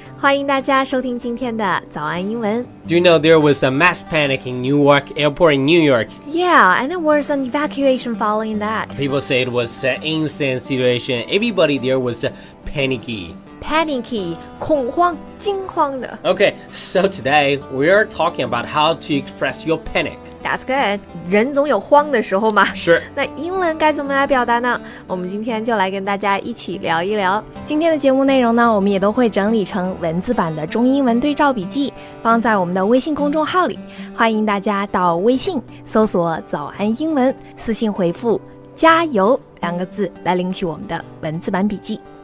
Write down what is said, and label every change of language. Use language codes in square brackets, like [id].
[zh] 欢迎大家收听今天的早安英文。 [en] Do you know there was a mass panic in Newark Airport in New York? Yeah, and there was an evacuation following that. People say it was an insane situation. Everybody there was panicky. [zh] Panicky, 恐慌,惊慌的。 [en] Okay, so today we are talking about how to express your panic. That's good. [zh] 人总有慌的时候嘛。 [en] Sure. [zh] 那英文该怎么来表达呢？我们今天就来跟大家一起聊一聊。今天的节目内容呢，我们也都会整理成文字版的中英文对照笔记，放在我们的微信公众号里。欢迎大家到微信搜索早安英文，私信回复加油两个字来领取我们的文字版笔记。